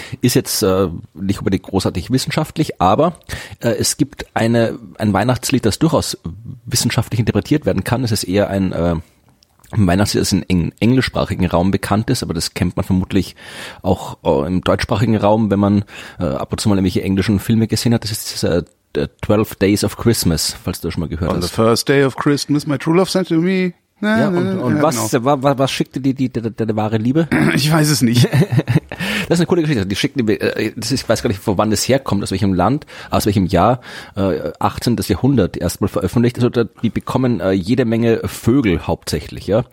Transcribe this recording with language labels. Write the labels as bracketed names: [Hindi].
[German] Ist jetzt nicht unbedingt großartig wissenschaftlich, aber es gibt ein Weihnachtslied, das durchaus wissenschaftlich interpretiert werden kann. Es ist eher ein Weihnachtslied, das in englischsprachigen Raum bekannt ist, aber das kennt man vermutlich auch im deutschsprachigen Raum, wenn man ab und zu mal irgendwelche englischen Filme gesehen hat. Das ist dieser 12 Days of Christmas, falls du das schon mal gehört [English] on [German] hast. [English] On the first day of Christmas, my true love sent to me. [German] Was schickte dir die wahre Liebe? Ich weiß es nicht. Das ist eine coole Geschichte. Die schickte, ich weiß gar nicht, von wann das herkommt, aus welchem Land, aus welchem Jahr, 18. Jahrhundert erstmal veröffentlicht. Also die bekommen jede Menge Vögel hauptsächlich, ja.